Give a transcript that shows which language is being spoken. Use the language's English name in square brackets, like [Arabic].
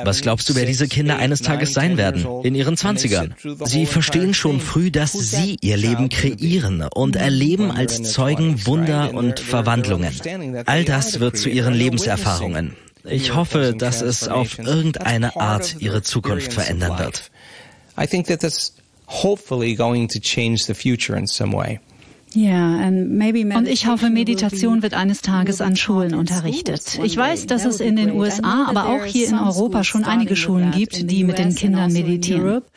[German] Was glaubst du, wer diese Kinder eines Tages sein werden? In ihren 20ern. Sie verstehen schon früh, dass sie ihr Leben kreieren und erleben als Zeugen Wunder und Verwandlungen. All das wird zu ihren Lebenserfahrungen. Ich hoffe, dass es auf irgendeine Art ihre Zukunft verändern wird. [English] I think that that's hopefully going to change the future in some way. Yeah, and maybe [German] und ich hoffe, Meditation wird eines Tages an Schulen unterrichtet. Ich weiß, dass es in den USA, aber auch hier in Europa schon einige Schulen gibt, die mit den Kindern meditieren.